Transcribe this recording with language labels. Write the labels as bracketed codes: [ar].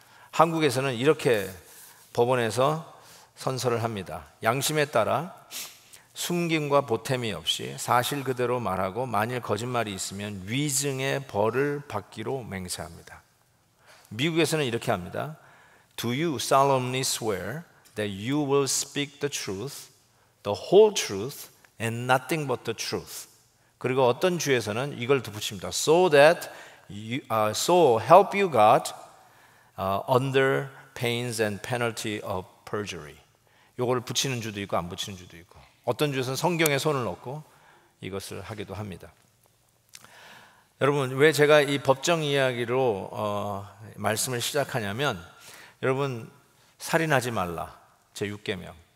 [ko] 한국에서는 이렇게 법원에서 선서를 합니다. 양심에 따라 숨김과 보탬이 없이 사실 그대로 말하고 만일 거짓말이 있으면 위증의 벌을 받기로 맹세합니다. 미국에서는 이렇게 합니다. [en] Do you solemnly swear that you will speak the truth, the whole truth, and nothing but the truth? [ko] 그리고 어떤 주에서는 이걸 덧붙입니다. [en] So that you, so help you God, under pains and penalty of perjury. [ko] 요거를 붙이는 주도 있고 안 붙이는 주도 있고. 어떤 주에서는 성경에 손을 넣고 이것을 하기도 합니다. 여러분, 왜 제가 이 법정 이야기로 말씀을 시작하냐면, 여러분, 살인하지 말라, 제 6계명.